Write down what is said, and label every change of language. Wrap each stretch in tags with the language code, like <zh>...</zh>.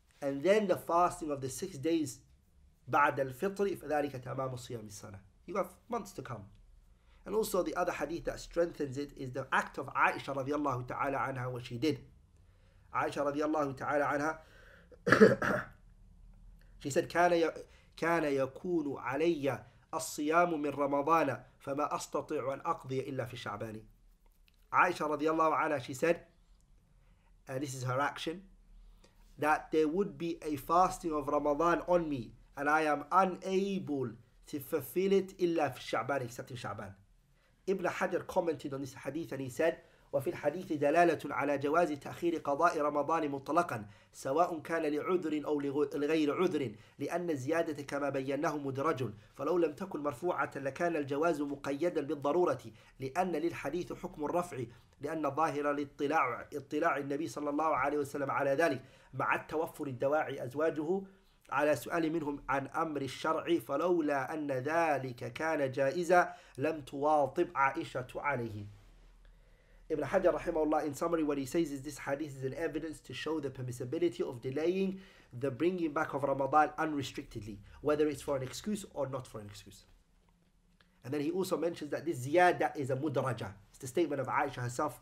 <en>And then the fasting of the 6 days,</en> <ar>بعد الفطر فذلك تمام الصيام السنة.</ar> <en>You have months to come. And also the other hadith that strengthens it is the act of Aisha radiallahu ta'ala anha, what she did. Aisha radiallahu ta'ala anha, She said,</en> <ar>كان يكون علي الصيام من رمضان فما أستطيع أن أقضي إلا في شعبان.</ar> <en>Aisha radiallahu anha, she said, and this is her action, that there would be a fasting of Ramadan on me, and I am unable to fulfill it</en> <ar>إلا في شعبان,</ar> <en>except in شعبان. Ibn Hajar commented on this hadith and he said,</en> <ar>وفي الحديث دلالة على جواز تأخير قضاء رمضان مطلقا سواء كان لعذر أو لغير عذر لأن الزيادة كما بيناه مدرج فلو لم تكن مرفوعة لكان الجواز مقيدا بالضرورة لأن للحديث حكم الرفع لأن ظاهر اطلاع النبي صلى الله عليه وسلم على ذلك مع التوفر الدواعي أزواجه على سؤال منهم عن أمر الشرع فلولا أن ذلك كان جائزا لم تواطب عائشة عليه.</ar> <en>Ibn Hajar rahimahullah, in summary, what he says is this hadith is an evidence to show the permissibility of delaying the bringing back of Ramadan unrestrictedly, whether it's for an excuse or not for an excuse. And then he also mentions that this ziyada is a mudraja. It's the statement of Aisha herself.</en>